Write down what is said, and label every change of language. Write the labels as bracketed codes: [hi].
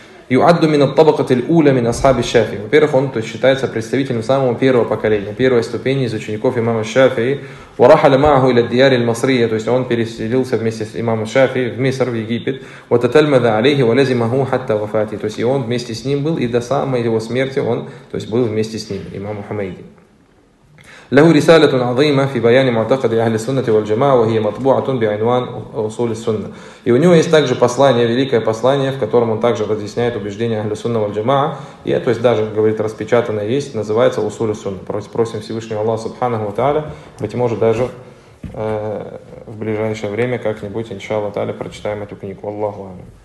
[ar] Юадду мин ат-табакати аль-уля мин асхаби аш-Шафии. [ru] Во-первых, он то есть считается представителем самого первого поколения, первой ступени из учеников имама аш-Шафии. [ar] Ва рахала маъху иля ад-дияри аль-Масрия, [ru] то есть он переселился вместе с имамом аш-Шафии в Миср, в Египет. [ar] Ва таталмаза алейхи ва лазимаху хатта вафати. [ru] То есть и он вместе с ним был и до самой его смерти он, то есть был вместе с ним, имам Хумейди. [ar] له رسالة عظيمة في بيان معتقد أهل السنة والجماعة وهي مطبوعة بعنوان أصول السنة. [ru] И у него есть также послание, великое послание, в котором он также разъясняет убеждения Ахли Сунна валь Джамаа. И то есть даже, говорит, распечатанное есть, называется Усулю Сунна. Просим Всевышнего Аллаха Субханаху ва Тааля, быть может даже в ближайшее время как-нибудь, иншаллах тааля, прочитаем эту книгу. Аллаху а'лам.